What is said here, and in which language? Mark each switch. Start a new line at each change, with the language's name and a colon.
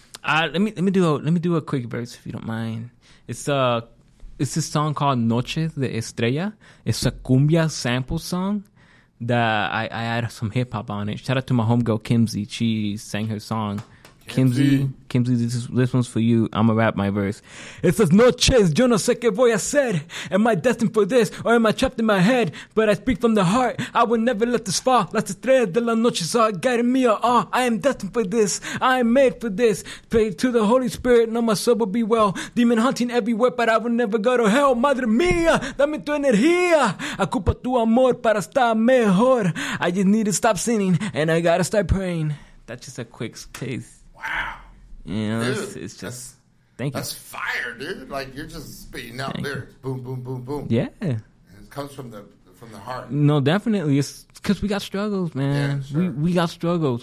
English: Let me do a quick verse if you don't mind. It's a song called Noche de Estrella. It's a cumbia sample song that I add some hip hop on it. Shout out to my homegirl Kimsey. She sang her song. Kimsey, this one's for you. I'm going to rap my verse. It says,
Spanish: Noches, yo no sé qué voy a hacer.
English: Am I destined for this or am I trapped in my head? But I speak from the heart. I will never let this fall.
Spanish: Las estrellas de la noche
English: are guiding me all. I am destined for this. I am made for this. Pray to the Holy Spirit. No, my soul will be well. Demon hunting everywhere, but I will never go to hell.
Spanish: Madre mía, dame tu energía. Ocupa tu amor para estar mejor.
English: I just need to stop sinning and I got to start praying. That's just a quick taste. Wow. Yeah, you know, it's just thank you. That's fire, dude. Like you're just spitting out lyrics. Boom, boom, boom, boom. Yeah. And it comes from the heart. No, definitely. It's because we got struggles, man. Yeah, sure. We got struggles.